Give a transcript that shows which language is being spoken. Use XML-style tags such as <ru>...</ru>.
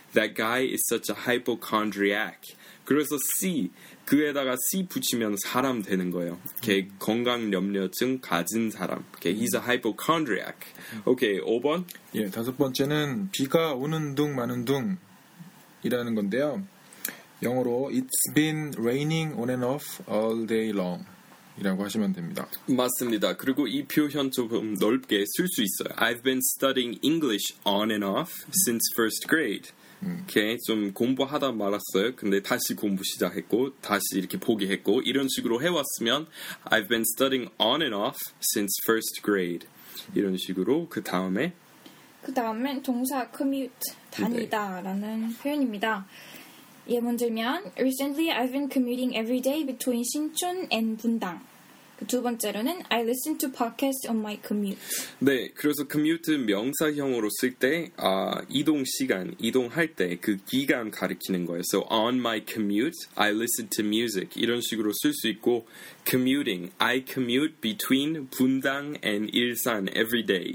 <en>That guy is such a hypochondriac.</en> <ko>그래서 C, 그에다가 C 붙이면 사람 되는 거예요. 걔 건강염려증 가진 사람. 걔</ko> <en>he's a hypochondriac.</en> <ko>오케이, 5번. 예, 다섯 번째는 비가 오는 둥 마는 둥이라는 건데요. 영어로</ko> <en>It's been raining on and off all day long.</en> <ko>이라고 하시면 됩니다. 맞습니다. 그리고 이 표현 조금 넓게 쓸 수 있어요.</ko> <en>I've been studying English on and off since first grade.</en> <ko>오케이, 좀 공부하다 말았어요. 근데 다시 공부 시작했고 다시 이렇게 포기했고 이런 식으로 해왔으면</ko> <en>I've been studying on and off since first grade.</en> <ko>이런 식으로 그 다음에 동사 commute 다니다 네. 라는 표현입니다. 예문 들면</ko> <en>Recently I've been commuting every day between 신촌 and 분당.</en> <ko>그 두 번째로는</ko> <en>I listen to podcasts on my commute.</en> <ko>네, 그래서 commute 명사형으로 쓸 때 이동 시간, 이동할 때 그 기간 가리키는 거예요.</ko> <en>So on my commute, I listen to music.</en> <ko>이런 식으로 쓸 수 있고</ko> <en>commuting, I commute between 분당 and 일산 every day.</en>